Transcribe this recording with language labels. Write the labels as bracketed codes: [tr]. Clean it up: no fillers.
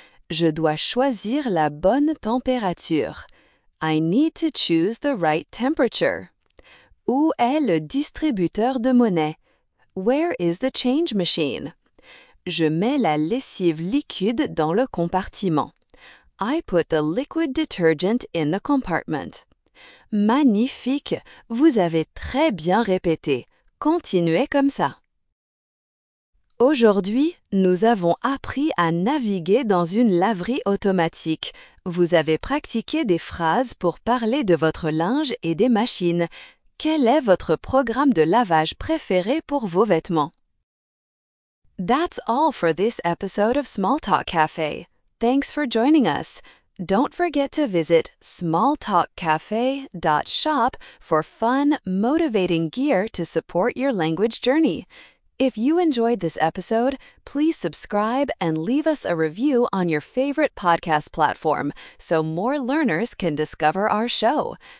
[fr] Je dois choisir la bonne température. [en] I need to choose the right temperature. [fr] Où est le distributeur de monnaie? [en] Where is the change machine? [fr] Je mets la lessive liquide dans le compartiment. [en] I put the liquid detergent in the compartment. [fr] Magnifique! Vous avez très bien répété. Continuez comme ça. Aujourd'hui, nous avons appris à naviguer dans une laverie automatique. Vous avez pratiqué des phrases pour parler de votre linge et des machines. Quel est votre programme de lavage préféré pour vos vêtements? [en] That's all for this episode of Small Talk Cafe. Thanks for joining us. Don't forget to visit smalltalkcafe.shop for fun, motivating gear to support your language journey. If you enjoyed this episode, please subscribe and leave us a review on your favorite podcast platform so more learners can discover our show.